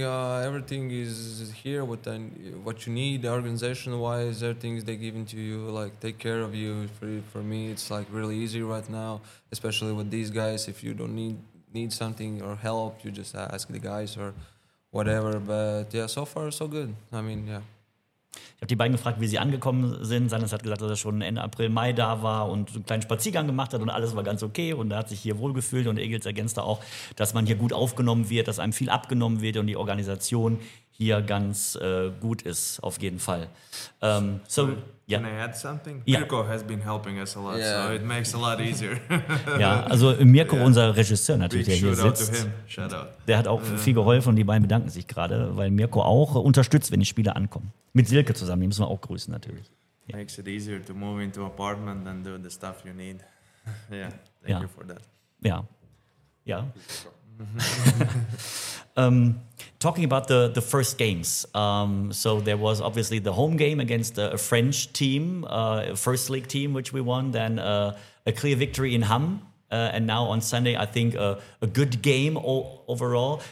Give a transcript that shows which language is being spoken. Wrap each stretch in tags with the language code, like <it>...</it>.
<en>Everything is here. What you need, organization wise, everything is they given to you. Like take care of you. For me, it's like really easy right now, especially with these guys. If you don't need something or help, you just ask the guys or whatever. But yeah, so far so good. I mean, yeah.</en> <de>Ich habe die beiden gefragt, wie sie angekommen sind. Sanders hat gesagt, dass er schon Ende April, Mai da war und einen kleinen Spaziergang gemacht hat und alles war ganz okay und er hat sich hier wohlgefühlt. Und Egils ergänzte auch, dass man hier gut aufgenommen wird, dass einem viel abgenommen wird und die Organisation hier ganz gut ist, auf jeden Fall.</de> <en>Can I add something? Yeah. Mirko has been helping us a lot, so it makes a lot easier.</en> <de>Ja, also Mirko, unser Regisseur natürlich,</de> <en>big</en> <de>der hier sitzt.</de> <en>Shout out.</en> <de>Der hat auch viel geholfen und die beiden bedanken sich gerade, weil Mirko auch unterstützt, wenn die Spieler ankommen. Mit Silke zusammen, die müssen wir auch grüßen natürlich.</de> <en>Yeah. Makes it easier to move into apartment and do the stuff you need. thank you for that.</en> <de>Ja.</de> <en>talking about the first games, so there was obviously the home game against a French team, a first league team, which we won, then a clear victory in Hamm, and now on Sunday, I think a good game overall.</en>